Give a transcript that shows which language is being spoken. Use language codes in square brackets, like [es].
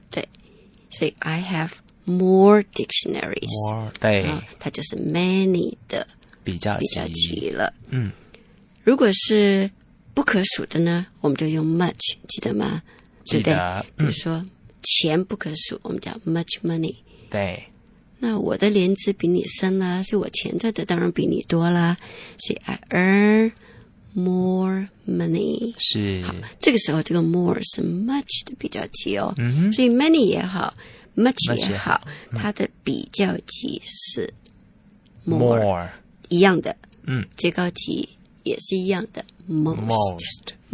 [zh] 对，所以 [en] I have more dictionaries。 [zh] more 对、啊，它就是 many 的比较级了。嗯，如果是不可数的呢，我们就用 much， 记得吗？记得。对对，比如说。钱不可数，我们叫 [en] much money。 [zh] 对，那我的年资比你深啦，所以我钱赚的当然比你多啦。所以 [en] I earn more money。 [zh] 是，好，这个时候这个 more 是 much 的比较级哦。嗯哼，所以 many 也好 ，much 也好，它的比较级是 [en] more [zh] 一样的。嗯，最高级也是一样的 most。